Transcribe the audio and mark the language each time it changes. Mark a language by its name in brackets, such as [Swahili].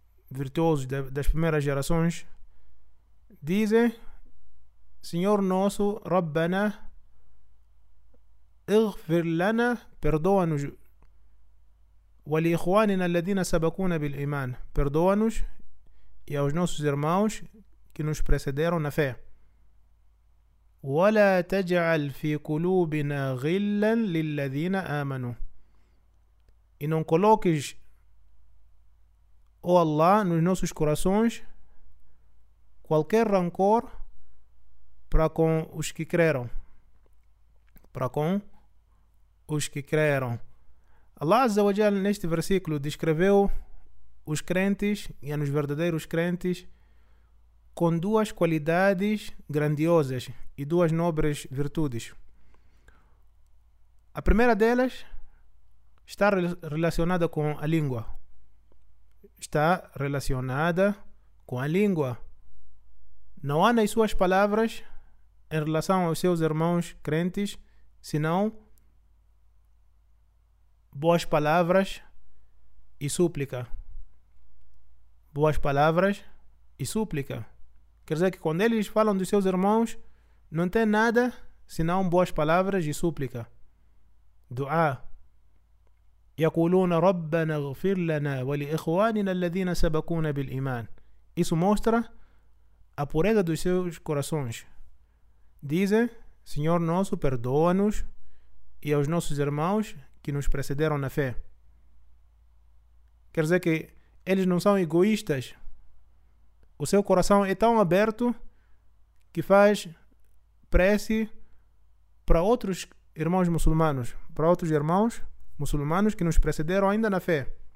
[Portuguese] virtuosos das primeiras gerações, dizem: Senhor nosso, Rabbana, [Arabic] اغفر لنا, [Portuguese] perdoa-nos, [Arabic] ولإخواننا الذين سبقونا بالإيمان, [Portuguese] perdoa-nos e aos nossos irmãos que nos precederam na fé. [Arabic] ولا تجعل في قلوبنا غلا للذين آمنوا. [Portuguese] E não coloques, ó Allah, nos nossos corações qualquer rancor para com os que creram. Para com os que creram. Allah Azza wa Jal neste versículo descreveu os crentes, e nos verdadeiros crentes, com duas qualidades grandiosas e duas nobres virtudes. A primeira delas está relacionada com a língua. Está relacionada com a língua. Não há nas suas palavras, em relação aos seus irmãos crentes, senão boas palavras e súplica. Boas palavras e súplica. Quer dizer que quando eles falam dos seus irmãos, não tem nada senão boas palavras e súplica. Dua. [Arabic] يقولون ربنا اغفر لنا ولإخواننا الذين سبقونا بالإيمان. [Portuguese] Isso mostra a pureza dos seus corações. Dizem: Senhor nosso, perdoa-nos e aos nossos irmãos que nos precederam na fé. Quer dizer que eles não são egoístas. O seu coração é tão aberto que faz prece para outros irmãos muçulmanos, para outros irmãos muçulmanos que nos precederam ainda na fé.